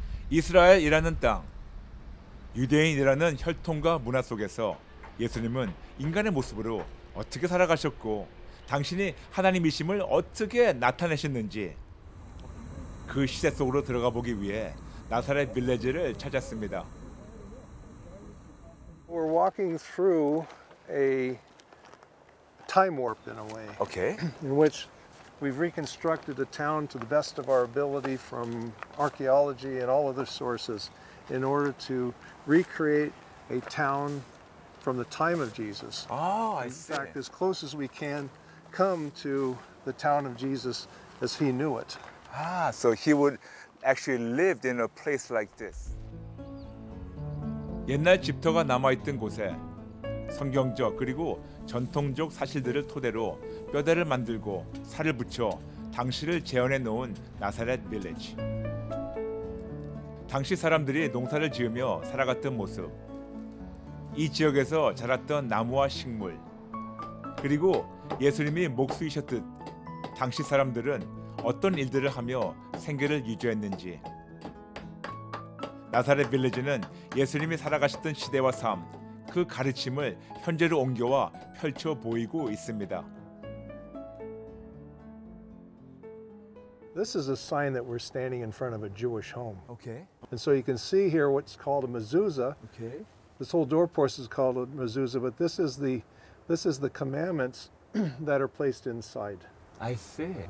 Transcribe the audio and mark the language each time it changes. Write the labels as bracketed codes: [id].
[ko] 이스라엘이라는 땅, 유대인이라는 혈통과 문화 속에서 예수님은 인간의 모습으로 어떻게 살아가셨고 당신이 하나님이심을 어떻게 나타내셨는지 그 시대 속으로 들어가 보기 위해 나사렛 빌레지를 찾았습니다. [en] We're walking through a time warp in a way. Okay. In which we've reconstructed the town to the best of our ability from archaeology and all other sources in order to recreate a town from the time of Jesus. Oh, I see. In fact, as close as we can come to the town of Jesus as he knew it. Ah, so he would actually lived in a place like this. [ko] 옛날 집터가 남아있던 곳에 성경적 그리고 전통적 사실들을 토대로 뼈대를 만들고 살을 붙여 당시를 재현해 놓은 나사렛 빌리지. 당시 사람들이 농사를 지으며 살아갔던 모습, 이 지역에서 자랐던 나무와 식물, 그리고 예수님이 목수이셨듯 당시 사람들은 어떤 일들을 하며 생계를 유지했는지. 나사렛 빌리지는 예수님이 살아가셨던 시대와 삶, 그 가르침을 현재로 옮겨와 펼쳐 보이고 있습니다. [en] This is a sign that we're standing in front of a Jewish home. Okay. And so you can see here what's called a mezuzah. Okay. This whole door post is called a mezuzah, but this is the commandments that are placed inside. I see.